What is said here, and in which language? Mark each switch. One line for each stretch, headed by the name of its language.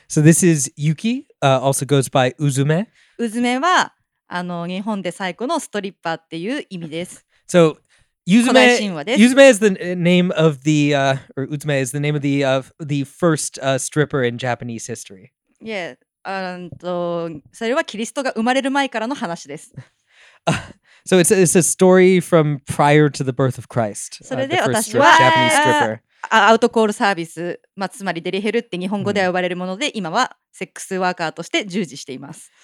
English: So this is Yuki, also goes by Uzume.
Japanese: Uzume はあの日本で最古のストリッパーっていう意味です。
English: So Uzume, Uzume is the name of the, or Uzume is the name of the first stripper in Japanese history.
Japanese: Yeah, それはキリストが生まれる前からの話です。
English: So it's a story from prior to the birth of Christ.
Japanese: それで私は
English: the first Japanese stripper.
Japanese: アウトコールサービス、まあ、つまりデリヘルって日本語では呼ばれるもので、mm. 今はセックスワーカーとして従事しています。